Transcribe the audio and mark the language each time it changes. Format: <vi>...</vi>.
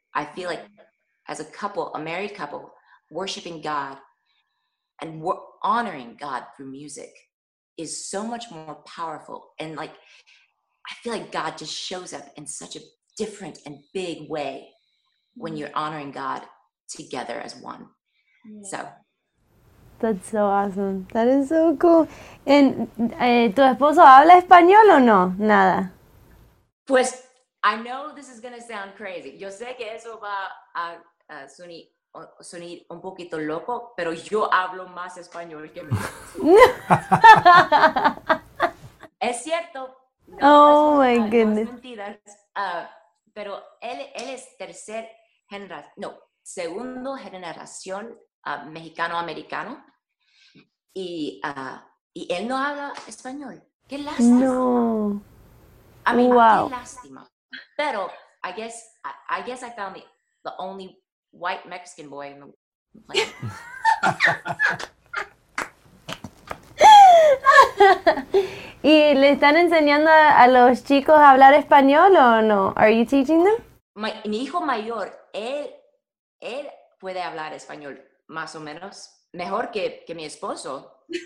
<en>I feel like, as a couple, a married couple, worshiping God and honoring God through music is so much more powerful, and, like, I feel like God just shows up in such a different and big way when you're honoring God together as one. Yeah. So. That's so awesome. That is so cool. And</en> <es>¿tu esposo habla español o no? Nada.</es> <en>Pues, I know this is going to sound crazy.</en> <es>Yo sé que eso va a sonir un poquito loco, pero yo hablo más español que mi esposo. Es cierto.</es> <en>No, oh, no, my no, goodness.</en> <es>Mentiras. Pero él es tercer generación, no, segundo generación mexicano-americano. Y él no habla español. ¡Qué lástima! No.</es> <en>I mean, wow.</en> <es>¡Qué lástima!</es> <en>Pero I guess I found the only white Mexican boy in the world.</en> <es>¿Y le están enseñando a los chicos a hablar español o no?</es> <en>Are you teaching them?</en> <es>Mi hijo mayor, él puede hablar español más o menos, mejor que mi esposo.</es>